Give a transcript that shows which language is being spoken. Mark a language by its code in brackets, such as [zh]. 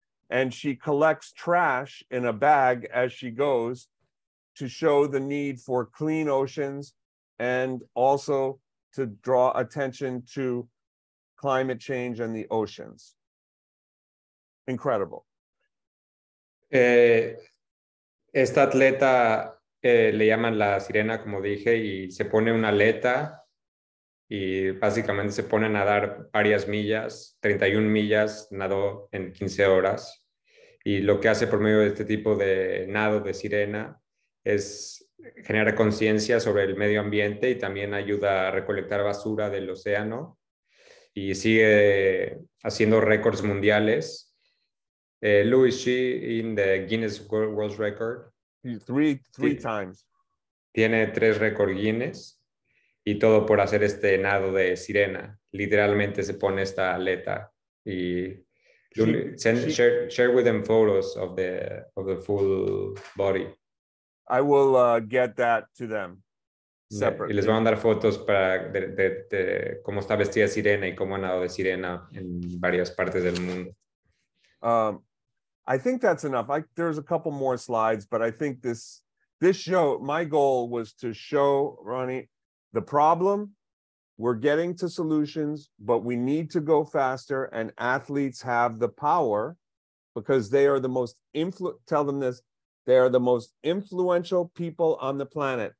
[en] And she collects trash in a bag as she goes to show the need for clean oceans and also to draw attention to climate change and the oceans. Incredible. [es] Esta atleta le llaman la sirena, como dije, y se pone una aleta y básicamente se pone a nadar varias millas, 31 millas, nadó en 15 horas. Y lo que hace por medio de este tipo de nado de sirena es generar conciencia sobre el medio ambiente y también ayuda a recolectar basura del océano. Y sigue haciendo récords mundiales. [en] Lou, is she in the Guinness World Record? Three times. [es] Tiene tres récords Guinness y todo por hacer este nado de sirena. Literalmente se pone esta aleta y [en] share with them photos of the full body. I will get that to them separately. [es] Y les voy a mandar fotos para de cómo está vestida sirena y cómo ha nadado de sirena en varias partes del mundo. [en] I think that's enough. There's a couple more slides, but I think this show, my goal was to show Ronnie the problem. We're getting to solutions, but we need to go faster, and athletes have the power because they are the most influential people on the planet.